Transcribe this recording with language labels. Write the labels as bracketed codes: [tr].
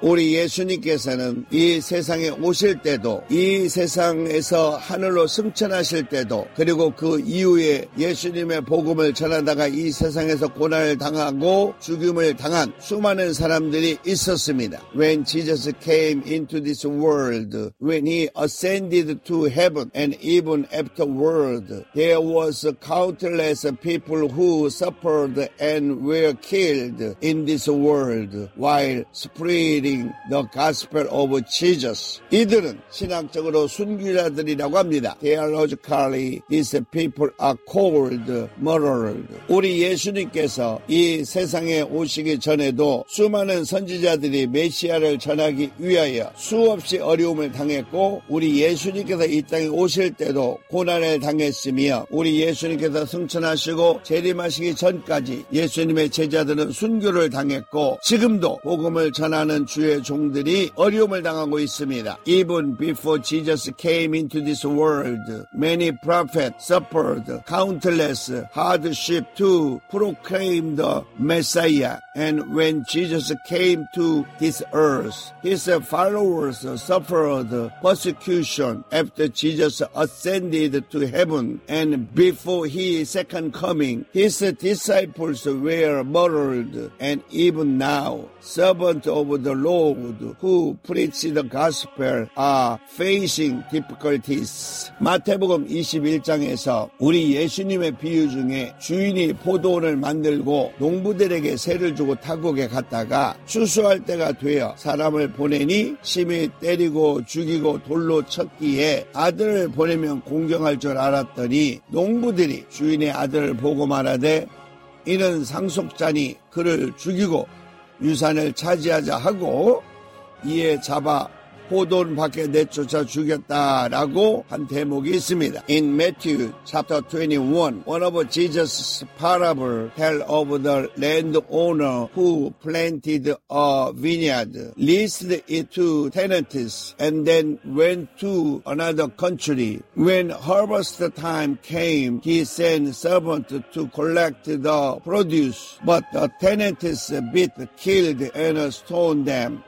[ko] 우리 예수님께서는 이 세상에 오실 때도 이 세상에서 하늘로 승천하실 때도 그리고 그 이후에 예수님의 복음을 전하다가 이 세상에서 고난을 당하고 죽임을 당한 수많은 사람들이 있었습니다. [en] When Jesus came into this world, when he ascended to heaven and even afterward, there was countless people who suffered and were killed in this world while spreading the gospel of Jesus. [ko] 이들은 신학적으로 순교자들이라고 합니다. [en] Theologically, these people are called murderers. [ko] 우리 예수님께서 이 세상에 오시기 전에도 수많은 선지자들이 메시아를 전하기 위하여 수없이 어려움을 당했고 우리 예수님께서 이 땅에 오실 때도 고난을 당했으며 우리 예수님께서 승천하시고 재림하시기 전까지 예수님의 제자들은 순교를 당했고 지금도 복음을 전하는 주의 종들이 어려움을 당하고 있습니다. [en] Even before Jesus came into this world, many prophets suffered countless hardship to proclaim the Messiah. And when Jesus came to this earth, his followers suffered persecution after Jesus ascended to heaven. And before his second coming, his His disciples were murdered, and even now, servants of the Lord who preach the gospel are facing difficulties. [ko] 마태복음 21장에서 우리 예수님의 비유 중에 주인이 포도원을 만들고 농부들에게 세를 주고 타국에 갔다가 추수할 때가 되어 사람을 보내니 심히 때리고 죽이고 돌로 쳤기에 아들을 보내면 공경할 줄 알았더니 농부들이 주인의 아들을 보고 말하되 이는 상속자니 그를 죽이고 유산을 차지하자 하고 이에 잡아 포도원 밖에 내쫓아 죽였다라고 한 대목이 있습니다. [en] In Matthew chapter 21, one of Jesus' parable tell of the landowner who planted a vineyard, leased it to tenants, and then went to another country. When harvest time came, he sent servants to collect the produce, but the tenants beat, killed, and stoned them.